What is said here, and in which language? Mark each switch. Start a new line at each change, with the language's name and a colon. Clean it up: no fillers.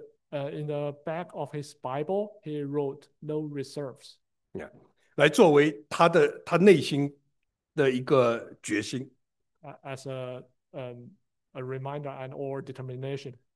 English: In the back of his Bible, he wrote no reserves.
Chinese: 来作为他内心的一个决心。
English: As a reminder and or determination.